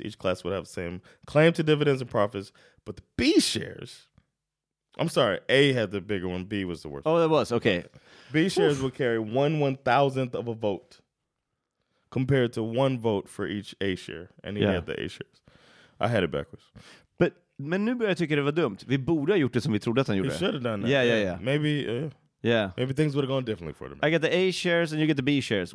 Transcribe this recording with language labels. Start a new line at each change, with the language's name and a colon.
English: Each class would have the same claim to dividends and profits, but the B shares, I'm sorry, A had the bigger one, B was the worst. Oh, it was, okay. B shares would carry 1/1000th of a vote compared to one vote for each A share, and he yeah. had the A shares. I had it backwards.
Swedish: Men nu börjar jag tycka det var dumt. Vi borde ha gjort det som vi trodde att han gjorde.
English: He should have done that. Yeah, yeah, yeah. Maybe, yeah. Maybe things would have gone differently for them. I get the A shares and you get the B shares.